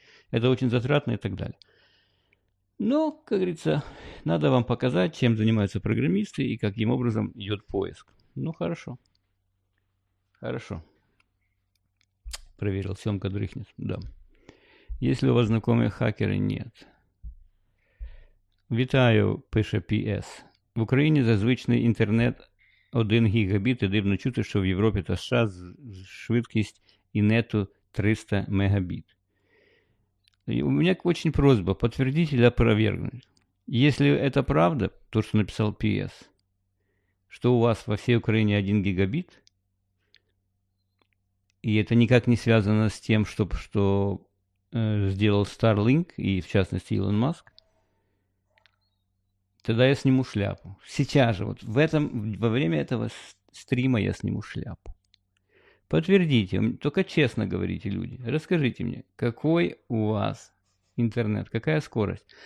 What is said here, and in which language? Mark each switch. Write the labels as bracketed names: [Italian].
[Russian] Это очень затратно и так далее. Но, как говорится, надо вам показать, чем занимаются программисты и каким образом идет поиск. Ну, хорошо. Хорошо. Проверил, Семка дрыхнет. Да. Есть ли у вас знакомые хакеры? Нет. [Ukrainian] Вітаю, пише PS. В Україні зазвичай інтернет... 1 гігабіт, і дивно чути, що в Європі та США швидкість і нету 300 мегабіт. І у мене дуже просьба, підтвердіть або опровергніть. Якщо це правда, то, що написав PS, що у вас во всій Україні 1 гігабіт, і це ніяк не зв'язано з тим, що [Russian] сделал Starlink, и в частности Илон Маск, тогда я сниму шляпу. Сейчас же, вот в этом, во время этого стрима я сниму шляпу. Подтвердите, только честно говорите, люди. Расскажите мне, какой у вас интернет, какая скорость?